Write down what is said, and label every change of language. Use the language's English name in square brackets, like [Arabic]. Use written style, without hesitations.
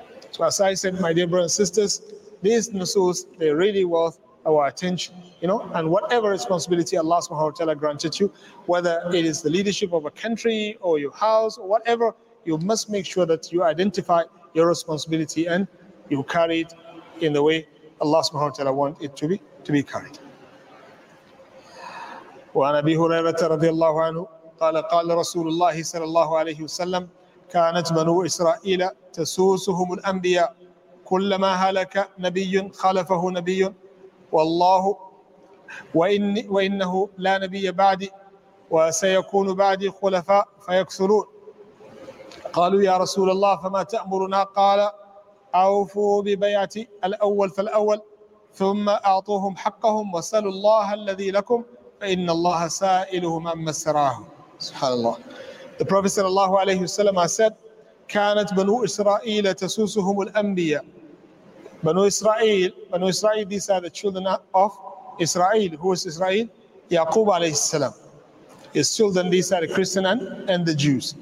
[English] So as I said, my dear brothers and sisters, these nusus, they're really worth our attention, you know, and whatever responsibility Allah subhanahu wa ta'ala granted you, whether it is the leadership of a country or your house or whatever, you must make sure that you identify your responsibility and you carry it in the way Allah subhanahu wa ta'ala want it to be carried. [Arabic] وعن أبي هريرة رضي الله عنه قال قال رسول الله صلى الله عليه وسلم كانت بنو إسرائيل تسوسهم الأنبياء كلما هلك نبي خلفه نبي والله وإنه لا نبي بعدي وسيكون بعدي خلفاء فيكثرون. قالوا يا رسول الله فما تأمرنا؟ قال أوفوا ببيعة الأول فالأول ثم أعطوهم حقهم وسألوا الله الذي لكم فإن الله سائلهم أما السراه. سبحان الله. [English] The Prophet sallallahu alayhi wasallam said, [Arabic] كانت بنو إسرائيل تسوسهم الأنبياء. [English] بنو إسرائيل, these are the children of Israel. Who is Israel? Yaqub alayhi salam. His children, these are the Christian and the Jews.